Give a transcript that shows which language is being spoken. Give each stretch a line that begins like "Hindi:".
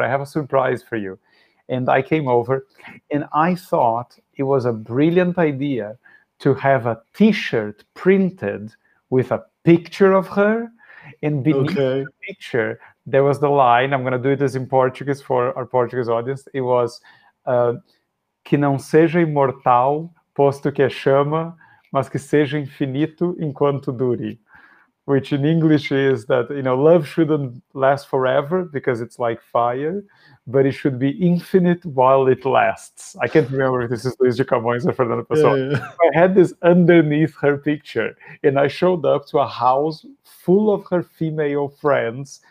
English: I have a surprise for you." And I came over, and I thought it was a brilliant idea to have a T-shirt printed with a picture of her, and beneath the picture there was the line. I'm going to do this in Portuguese for our Portuguese audience. It was,
Portuguese: que não seja imortal, posto que a chama, mas que seja infinito enquanto dure.
English: Which in English is that, you know, love shouldn't last forever because it's like fire, but it should be infinite while it lasts. I can't remember if this is Luiz de Camões or Fernando Pessoa. Yeah. I had this underneath her picture, and I showed up to a house full of her female friends.